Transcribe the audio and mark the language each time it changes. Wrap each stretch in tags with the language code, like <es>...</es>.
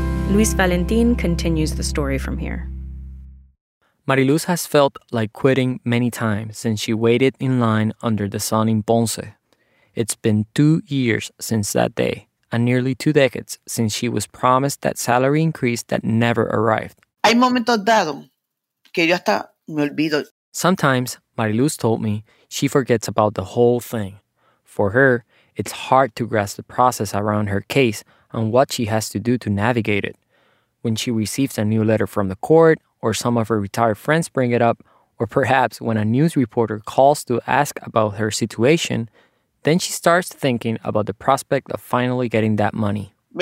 <en>Luis Valentin continues the story from here. Mariluz has felt like quitting many times since she waited in line under the sun in Ponce. It's been 2 years since that day, and nearly 2 decades since she was promised that salary increase that never arrived.</en> <es>Hay momentos dado que yo hasta me olvido.</es> <en>Sometimes, Mariluz told me, she forgets about the whole thing. For her, it's hard to grasp the process around her case and what she has to do to navigate it. When she receives a new letter from the court, or some of her retired friends bring it up, or perhaps when a news reporter calls to ask about her situation, then she starts thinking about the prospect of finally getting that money.</en>